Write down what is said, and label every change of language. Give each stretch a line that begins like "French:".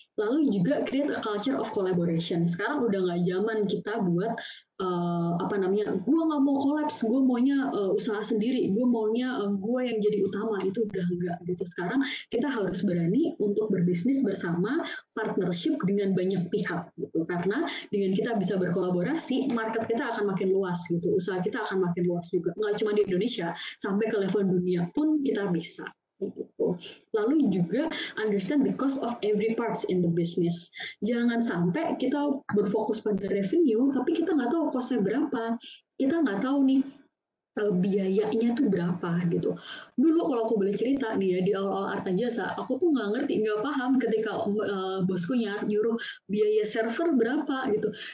Indonesian: Lalu juga
English: create a culture of collaboration.
Indonesian: Sekarang udah nggak zaman kita buat gue nggak mau collapse, gue maunya usaha sendiri, gue maunya gue yang jadi utama, itu udah nggak gitu. Sekarang kita harus berani untuk berbisnis bersama, partnership dengan banyak pihak gitu. Karena dengan kita bisa berkolaborasi, market kita akan makin luas gitu, usaha kita akan makin luas juga. Nggak cuma di Indonesia, sampai ke level dunia pun kita bisa. Lalu juga
English: understand the cost of every parts in the business.
Indonesian: Jangan sampai kita berfokus pada revenue, tapi kita nggak tahu cost-nya berapa. Kita nggak tahu nih biayanya tuh berapa gitu. Dulu kalau aku boleh cerita nih ya, di awal-awal Arta Jasa, aku tuh nggak ngerti, nggak paham ketika bosku nyuruh biaya server berapa gitu.